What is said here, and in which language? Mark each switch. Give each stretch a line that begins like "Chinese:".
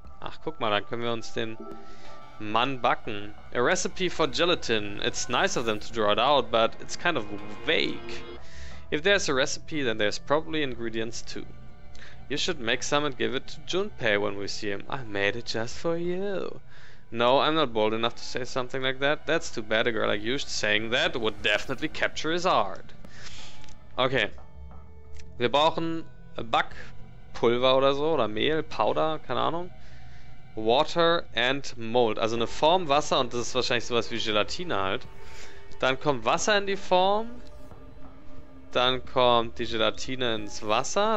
German: Ach, guck mal, dann können wir uns den Mann backen.
English: A recipe for gelatin. It's nice of them to draw it out, but it's kind of vague. If there's a recipe, then there's probably ingredients too. You should make some and give it to Junpei when we see him. I made it just for you. No, I'm not bold enough to say something like that. That's too bad. A girl like you saying that would definitely capture his heart. Okay.
German: Wir brauchen Backpulver oder so, oder Mehl, Powder, keine Ahnung.
English: Water and Mold.
German: Also eine Form Wasser, und das ist wahrscheinlich sowas wie Gelatine halt. Dann kommt Wasser in die Form. Dann kommt die Gelatine ins Wasser.